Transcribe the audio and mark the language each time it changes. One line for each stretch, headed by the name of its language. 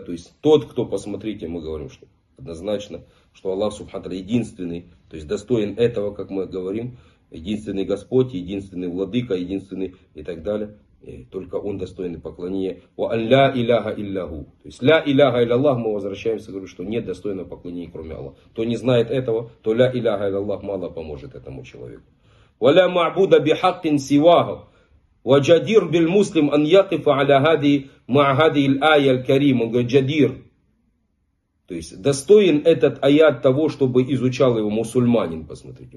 Russian: То есть тот, кто, посмотрите, мы говорим, что однозначно, что Аллах Субхану ва Тааля единственный, то есть достоин этого, как мы говорим, единственный Господь, единственный Владыка, единственный и так далее. И только Он достойный поклонения.
Arabic: Ва ан ля иляха илляху.
Russian: То есть ля иляха илляллах, мы возвращаемся, говорим, что нет достойного поклонения, кроме Аллаха. Кто не знает этого, то ля иляха илляллах мало поможет этому человеку.
Arabic: Ва ля ма'буда би хаккин сиваху. وجدير بالمسلم أن يقف على هذه مع هذه الآية الكريمة جدير
Russian: То есть достоин этот аят того, чтобы изучал его мусульманин, посмотрите.